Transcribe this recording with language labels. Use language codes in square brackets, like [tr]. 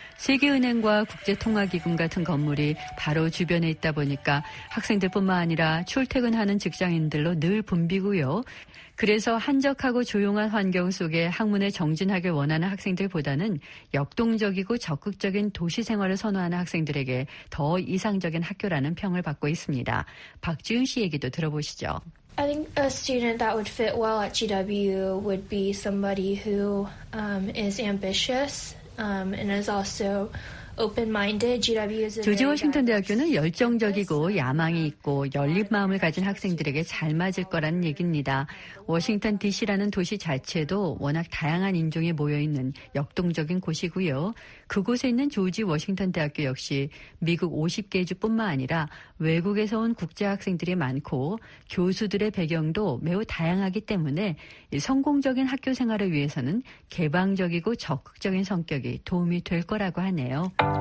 [ko] 세계은행과 국제통화기금 같은 건물이 바로 주변에 있다 보니까 학생들뿐만 아니라 출퇴근하는 직장인들로 늘 붐비고요. 그래서 한적하고 조용한 환경 속에 학문에 정진하길 원하는 학생들보다는 역동적이고 적극적인 도시 생활을 선호하는 학생들에게 더 이상적인 학교라는 평을 받고 있습니다. 박지윤 씨 얘기도 들어보시죠. [en] I think a student that would fit well at GW would be somebody who is ambitious and is also open-minded. GW is a [ko] 조지 워싱턴 대학교는 열정적이고 야망이 있고 열린 마음을 가진 학생들에게 잘 맞을 거라는 얘기입니다. 워싱턴 DC라는 도시 자체도 워낙 다양한 인종이 모여있는 역동적인 곳이고요. 그곳에 있는 조지 워싱턴 대학교 역시 미국 50개 주뿐만 아니라 외국에서 온 국제 학생들이 많고 교수들의 배경도 매우 다양하기 때문에 성공적인 학교 생활을 위해서는 개방적이고 적극적인 성격이 도움이 될 거라고 하네요.